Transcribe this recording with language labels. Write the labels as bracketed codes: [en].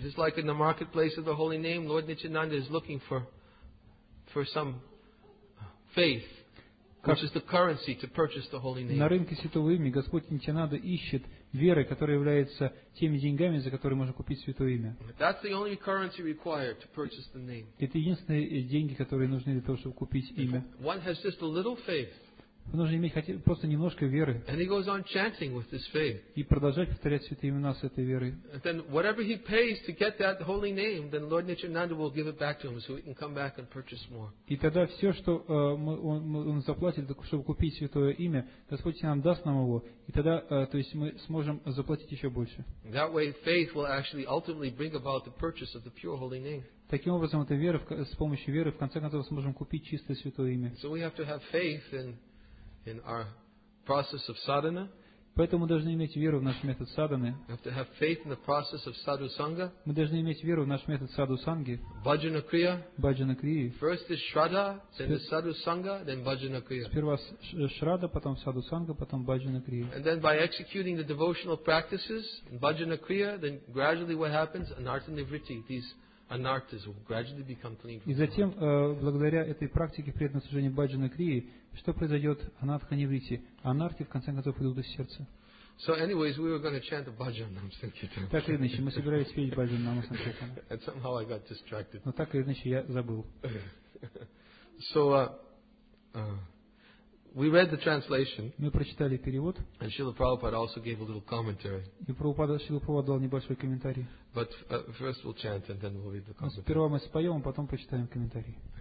[en] Just like in the marketplace of the holy name, Lord Nityananda is looking for some faith, which is the currency to purchase the holy name. [ru] На рынке святого имени Господь Нитянанда ищет веры, которая является теми деньгами, за которые можно купить святое имя. [en] That's the only currency required to purchase the name. [ru] Это единственные деньги, которые нужны для того, чтобы купить имя. [en] One has just a little faith. [ru] Нужно иметь просто немножко веры. [en] And he goes on chanting with his faith. [ru] И продолжать повторять святые имена с этой верой. [en] And then whatever he pays to get that holy name, then Lord Nityananda will give it back to him, so he can come back and purchase more. [ru] И тогда все, что он заплатит, чтобы купить святое имя, Господь нам даст нам его, и тогда, то есть мы сможем заплатить еще больше. [en] That way, faith will actually ultimately bring about the purchase of the pure holy name. [ru] Таким образом, эта вера, с помощью веры, в конце концов, сможем купить чистое святое имя. [en] So we have to have faith in our process of sadhana. [ru] Поэтому мы должны иметь веру в наш метод садханы. [en] We have to have faith in the process of sadhu sangha. [ru] Мы должны иметь веру в наш метод садху санги. [sa] Bhajana kriya. Bhajana kriya. [en] First is shraddha, then the sadhu sangha, then bhajana kriya. [ru] Сперва шрадда, потом садху санга, потом bhajana kriya. [en] And then by executing the devotional practices in bhajana kriya, then gradually what happens? Anartha nivritti. These anarthas will gradually become clean. [ru] И затем, благодаря этой практике преданного служения баджана крии, что произойдет? Анатха невритти. Анархи, в конце концов, идут из сердца. [en] So anyways, we were going to chant the bhajan nam sankirtan. [ru] Так или иначе, мы собирались петь баджан нам сангхитан. [en] And somehow I got distracted. [ru] Но так или иначе, я забыл. [en] So, we read the translation. [ru] Мы прочитали перевод. [en] And Srila Prabhupada also gave a little commentary. [ru] И Прабхупада дал небольшой комментарий. [en] But first we'll chant and then we'll read the commentary. [ru] Сперва мы споем, а потом прочитаем комментарий.